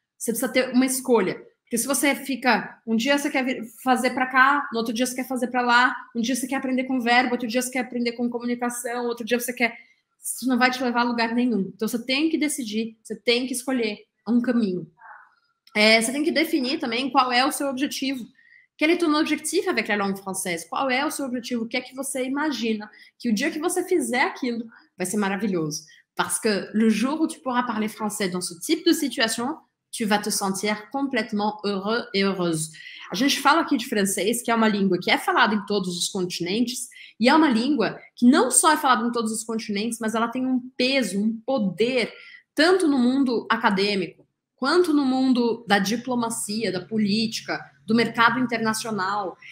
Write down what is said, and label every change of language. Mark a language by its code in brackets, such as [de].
[pt] Você precisa ter uma escolha. Porque se você fica, um dia você quer fazer para cá, no outro dia você quer fazer para lá, um dia você quer aprender com verbo, outro dia você quer aprender com comunicação, outro dia você quer... Isso não vai te levar a lugar nenhum. Então você tem que decidir, você tem que escolher um caminho. Você tem que definir também qual é o seu objetivo. [fr] Quel est ton objectif avec la langue française? [pt] Qual é o seu objetivo? O que é que você imagina que o dia que você fizer aquilo vai ser maravilhoso? [fr] Parce que le jour où tu pourras parler français dans ce type de situation... tu vas te sentir [pt] completamente [fr] heureux et heureuse. [pt] A gente fala aqui de francês, que é uma língua que é falada em todos os continentes, e é uma língua que não só é falada em todos os continentes, mas ela tem um peso, um poder, tanto no mundo acadêmico, quanto no mundo da diplomacia, da política, do mercado internacional.